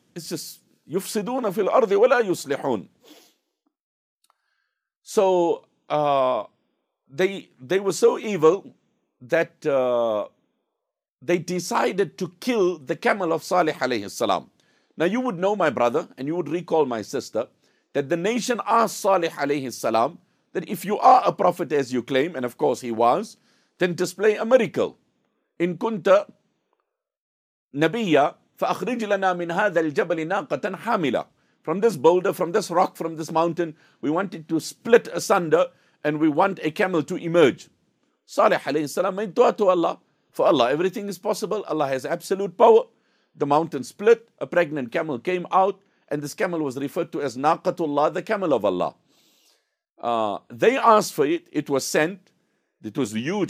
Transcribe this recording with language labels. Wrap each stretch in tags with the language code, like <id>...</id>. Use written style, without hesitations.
<en>It's just</en> <ar>يُفْسِدُونَ فِي الْأَرْضِ وَلَا يُصْلِحُونَ.</ar> <en>So they were so evil that they decided to kill the camel of Salih alayhi salam. Now you would know, my brother, and you would recall, my sister, that the nation asked Salih alayhi salam that if you are a prophet as you claim, and of course he was, then display a miracle.</en> <ar>In kunta nabiyya فَأَخْرِجْ لَنَا مِنْ هَذَا الْجَبَلِ نَاقَةً حَامِلًا.</ar> <en>From this boulder, from this rock, from this mountain, we want it to split asunder and we want a camel to emerge. Salih alayhi salam made dua to Allah. For Allah, everything is possible. Allah has absolute power. The mountain split, a pregnant camel came out, and this camel was referred to as Naqatullah, the camel of Allah. They asked for it. It was sent. It was huge.</en>